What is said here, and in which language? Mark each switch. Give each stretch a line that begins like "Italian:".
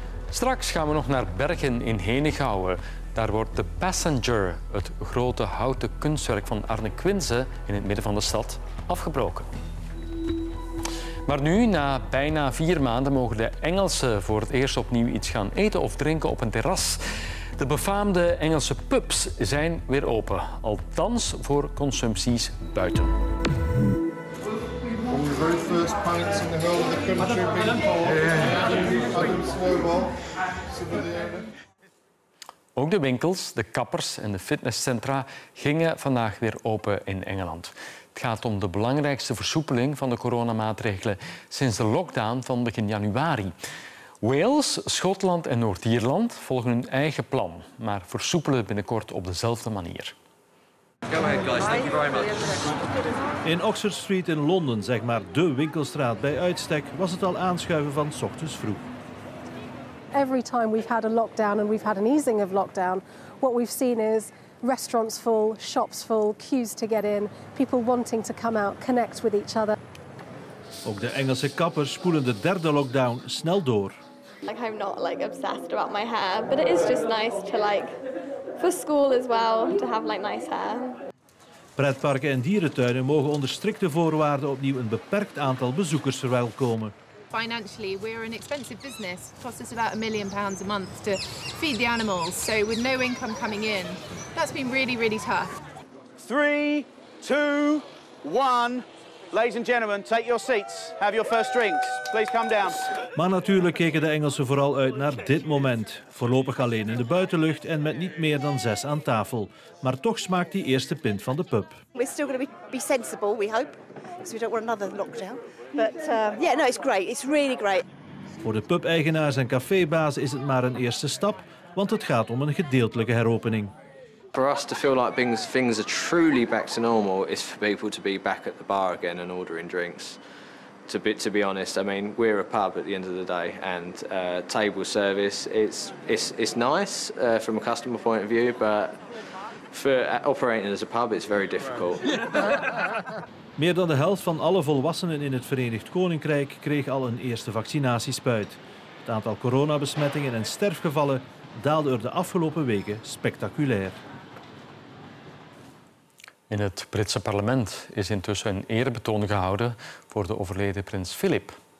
Dutch: Straks gaan we nog naar Bergen in Henegouwen. Daar wordt The Passenger, het grote houten kunstwerk van Arne Quinze in het midden van de stad, afgebroken. Maar nu, na bijna 4 maanden, mogen de Engelsen voor het eerst opnieuw iets gaan eten of drinken op een terras. De befaamde Engelse pubs zijn weer open. Althans voor consumpties buiten.
English: One of the very first pints in the whole of the country being poured.
Dutch: Ook de winkels, de kappers en de fitnesscentra gingen vandaag weer open in Engeland. Het gaat om de belangrijkste versoepeling van de coronamaatregelen sinds de lockdown van begin januari. Wales, Schotland en Noord-Ierland volgen hun eigen plan, maar versoepelen binnenkort op dezelfde manier.
English: Go ahead, guys. Thank you very much.
Dutch: In Oxford Street in Londen, zeg maar de winkelstraat bij uitstek, was het al aanschuiven van 's ochtends vroeg.
English: Every time we've had a lockdown and we've had an easing of lockdown, what we've seen is restaurants full, shops full, queues to get in, people wanting to come out, connect with each other.
Dutch: Ook de Engelse kappers spoelen de derde lockdown snel door.
English: Like, I'm not like obsessed about my hair, but it is just nice to like for school as well to have like nice hair.
Dutch: Pretparken en dierentuinen mogen onder strikte voorwaarden opnieuw een beperkt aantal bezoekers verwelkomen.
English: Financially, we're an expensive business. It costs us about £1 million a month to feed the animals. So with no income coming in, that's been really, really tough. 3, 2, 1. Ladies and gentlemen, take your seats. Have your first drinks. Please come down.
Dutch: Maar natuurlijk keken de Engelsen vooral uit naar dit moment. Voorlopig alleen in de buitenlucht en met niet meer dan 6 aan tafel. Maar toch smaakt die eerste pint van de pub.
English: We're still going to be sensible, we hope. Because we don't want another lockdown. But yeah, no, it's great. It's really great.
Dutch: Voor de pub-eigenaars en cafébazen is het maar een eerste stap, want het gaat om een gedeeltelijke heropening.
English: For us to feel like things are truly back to normal is for people to be back at the bar again and ordering drinks. To be honest, I mean, we're a pub at the end of the day, and table service, it's nice from a customer point of view, but for operating as a pub, it's very difficult.
Dutch: Meer dan de helft van alle volwassenen in het Verenigd Koninkrijk kreeg al een eerste vaccinatiespuit. Het aantal coronabesmettingen en sterfgevallen daalde er de afgelopen weken spectaculair. In het Britse parlement is intussen een eerbetoon gehouden voor de overleden prins Philip.